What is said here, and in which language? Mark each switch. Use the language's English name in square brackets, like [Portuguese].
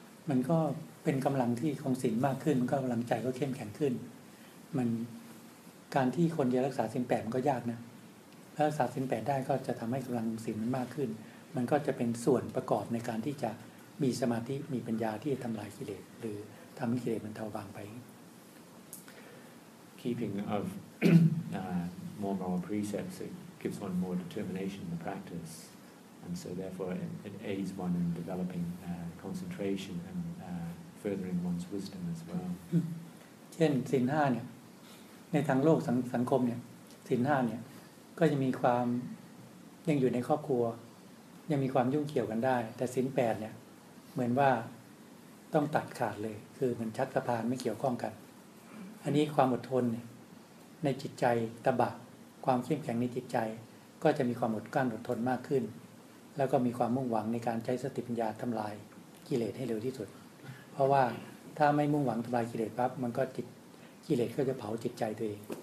[Thai] มันก็เป็นกำลังที่ของศีลมากขึ้นก็กำลังใจก็เข้มแข็งขึ้นมันการที่คนจะรักษาศีลแปดมันก็ยากนะรักษาศีลแปดได้ก็จะทำให้กำลังศีลมันมากขึ้นมันก็จะเป็นส่วนประกอบในการที่จะมีสมาธิมีปัญญาที่จะทำลายกิเลสหรือทำให้กิเลสมันเบาบางไป [English] keeping ofmore moral precepts, it gives one more determination in the practice, and so therefore it aids one in developing concentration and furthering one's wisdom as well. [Thai] เช่นศีล5เนี่ยในทางโลกสังคมเนี่ยศีล5เนี่ยก็จะมีความยังอยู่ในครอบครัวยังมีความยุ่งเกี่ยวกันได้แต่ศีล8เนี่ยเหมือนว่า ต้องตัดขาดเลยคือมันชักสะพานไม่เกี่ยวข้องกันอันนี้ความอดทนเนี่ยในจิตใจตบะความเข้มแข็งในจิตใจก็จะมีความอดกลั้นอดทนมากขึ้นแล้วก็มีความมุ่งหวังในการใช้สติปัญญาทำลายกิเลสให้เร็วที่สุดเพราะว่าถ้าไม่มุ่งหวังทำลายกิเลสปั๊บมันก็จิตกิเลสก็จะเผาจิตใจตัวเอง